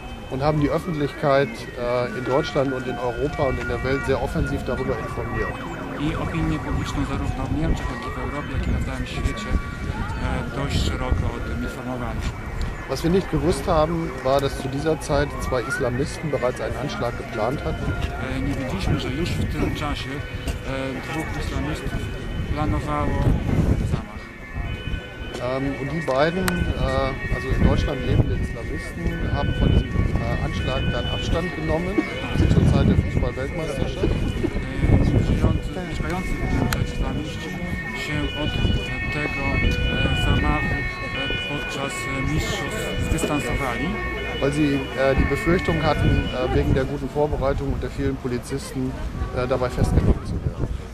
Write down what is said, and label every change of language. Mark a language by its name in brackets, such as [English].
[German] Und haben die Öffentlichkeit in Deutschland und in Europa und in der Welt sehr offensiv darüber informiert. [Polish] I opinię publiczną zarówno w Niemczech, jak i w Europie, jak i na całym świecie dość szeroko o tym informowano. [German] Was wir nicht gewusst haben, war, dass zu dieser Zeit zwei Islamisten bereits einen Anschlag geplant hatten. [Polish] Nie wiedzieliśmy, że już w tym czasie dwóch islamistów planowało zamach. [German] Und die beiden, also in Deutschland lebende Islamisten, haben von diesem Anschlag dann Abstand genommen, sind zur Zeit der Fußball-Weltmeisterschaft. [Polish] Mieszkający w Niemczech islamiści się od tego zamachu podczas mistrzostw zdystansowali. [German] Weil sie die Befürchtung hatten, wegen der guten Vorbereitung und der vielen Polizisten dabei festgenommen zu werden.